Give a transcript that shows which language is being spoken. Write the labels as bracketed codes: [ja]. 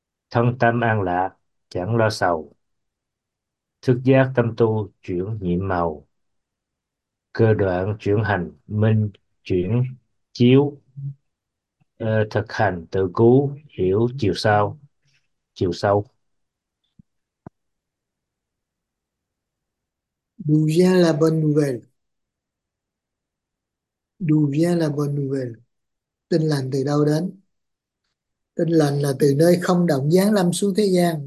[vi] thân tâm an lạc chẳng lo sầu, thức giác tâm tu chuyển nhiệm màu, cơ đoạn chuyển hành minh chuyển chiếu, thực hành tự cứu hiểu chiều sau, chiều sâu. [fr] D'où vient la bonne nouvelle? D'où vient la bonne nouvelle? [vi] Tin lành từ đâu đến? Tin lành là từ nơi không động giáng lâm xuống thế gian.